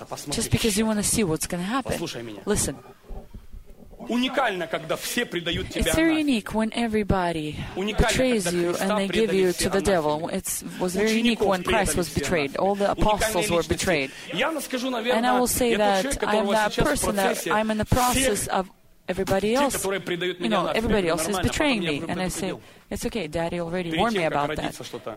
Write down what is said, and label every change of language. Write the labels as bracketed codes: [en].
[en] Just because you want to see what's going to happen. Listen. [ru] Уникально, когда все предают тебя. [en] It's very unique when everybody betrays you and they give you to the devil. It was very unique when Christ was betrayed. All the apostles were betrayed. And I will say that I'm that person that I'm in the process of everybody else. You know, everybody else is betraying me. And I say, it's okay, daddy already warned me about that.